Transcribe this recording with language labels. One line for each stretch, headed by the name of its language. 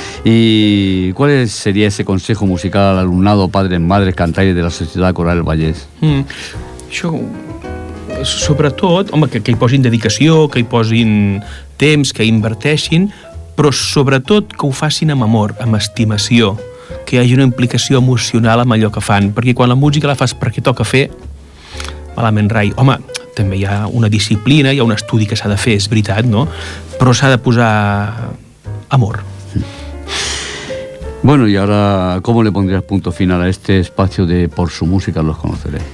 Spanish: ¿Y cuál sería ese consejo musical al alumnado, padres, madres, cantaires de la Sociedad Coral del Vallès?
Catalan: Això, sobretot, home, que hi posin dedicació, que hi posin... temps, que inverteixin, però sobretot que ho facin amb amor, amb estimació, que hi hagi una implicació emocional amb allò que fan, perquè quan la música la fas perquè toca fer, malament rai. Home, també hi ha una disciplina, hi ha un estudi que s'ha de fer, és veritat, no? Però s'ha de posar amor.
Spanish: Bueno, y ahora, ¿cómo le pondrías punto final a este espacio de Por su música los conoceré?